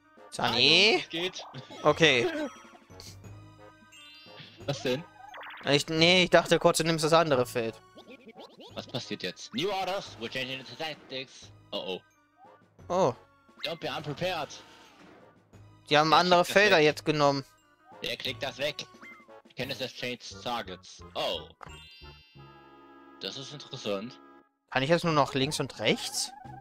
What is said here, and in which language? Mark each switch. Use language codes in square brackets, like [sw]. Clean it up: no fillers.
[de] Sunny? Hallo, es geht. Okay. Was denn? Ich dachte kurz, du nimmst das andere Feld. Was passiert jetzt? [en] New orders, we're changing the tactics. Oh oh. Oh. Don't be unprepared. [de] Die haben andere Felder jetzt genommen. Der kriegt das weg. Kenntnis des [en] changed targets. [de] Oh. Das ist interessant. Kann ich jetzt nur noch links und rechts?